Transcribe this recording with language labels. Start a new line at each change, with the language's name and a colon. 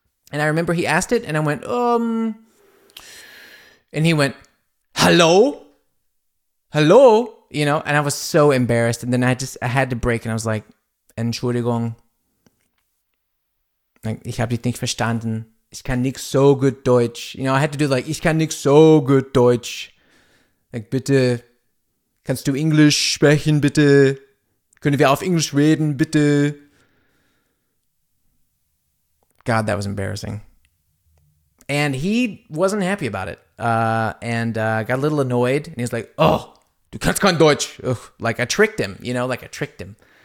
English: And I remember he asked it and I went, and he went, hello. You know, and I was so embarrassed. And then I had to break and I was like, Entschuldigung.
German: Like, ich habe dich nicht verstanden. Ich kann nicht so gut Deutsch.
English: You know, I had to do like,
German: ich kann nicht so gut Deutsch. Like, bitte, kannst du Englisch sprechen, bitte? Können wir auf Englisch reden, bitte?
English: God, that was embarrassing. And he wasn't happy about it. Got a little annoyed. And he's like, oh.
German: Du kannst kein Deutsch.
English: Ugh, like I tricked him, you know, like I tricked him.